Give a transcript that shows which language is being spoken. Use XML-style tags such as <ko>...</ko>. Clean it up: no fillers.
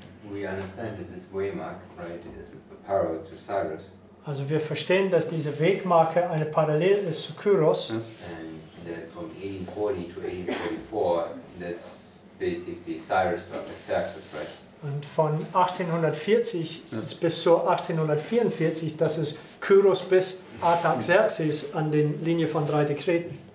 <en>We understand that this waymark, right, is a parallel to Cyrus.</en> <de>Also wir verstehen, dass diese Wegmarke eine Parallel ist zu Kyros.</de> <en>And that from 1840 to 1844, that's basically Cyrus to Artaxerxes, right?</en> <de>Und von 1840</de> <en>yes.</en> <de>bis zu 1844, das ist Kyros bis Artaxerxes an den Linie von drei Dekreten.</de>